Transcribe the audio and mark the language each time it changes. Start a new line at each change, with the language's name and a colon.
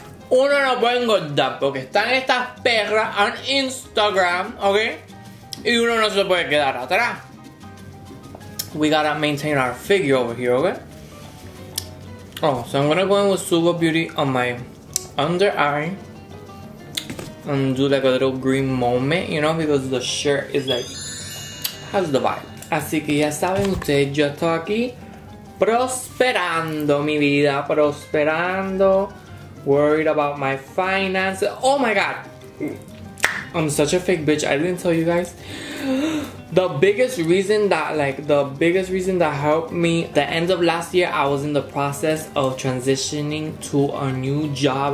Spanish: Uno no puede engordar porque están estas perras
English: on Instagram, okay?
Spanish: Y uno no se puede quedar atrás.
English: We gotta maintain our figure over here, okay? Oh, so I'm gonna go in with Super Beauty on my under eye and do like a little green moment, you know, because the shirt is like, has the vibe.
Spanish: Así que ya saben ustedes, yo estoy aquí prosperando, mi vida, prosperando.
English: Worried about my finances. Oh my god, I'm such a fake bitch. I didn't tell you guys. The biggest reason that helped me, the end of last year, I was in the process of transitioning to a new job.